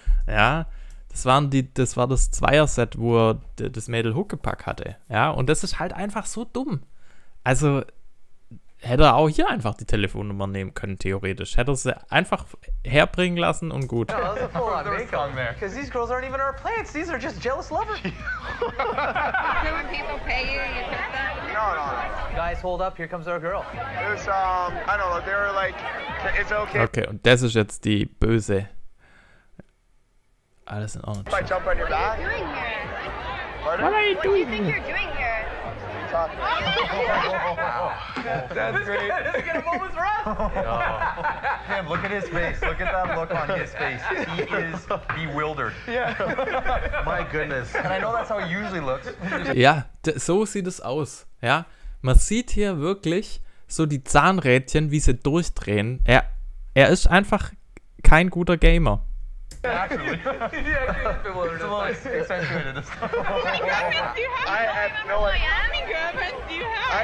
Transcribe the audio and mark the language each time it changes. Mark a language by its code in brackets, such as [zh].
[de] Ja, das war das Zweierset, wo er das Mädel Huckepack hatte. Ja, und das ist halt einfach so dumm. Also, hätte er auch hier einfach die Telefonnummer nehmen können, theoretisch. Hätte er sie einfach herbringen lassen und gut. [en] Because these girls aren't even our plants. These are just jealous lovers. So when people pay you, you take them? No. Guys, hold up. Here comes our girl. It's, I don't know. They were like, it's okay. Okay, und das ist jetzt die Böse. Alles in Ordnung. If I jump on your back? What are you doing here? Pardon? What are you doing? What do you think you're doing here? That's great. This is gonna move his rough. Him, look at his face. Look at that look on his face. He is bewildered. Yeah. My goodness. And I know that's how it usually looks. [de] Ja, so sieht es aus. Ja, man sieht hier wirklich so die Zahnrädchen, wie sie durchdrehen. Er ist einfach kein guter Gamer. [en] Actually, it's a little accentuated. I have no idea. Miami girlfriends, do you have?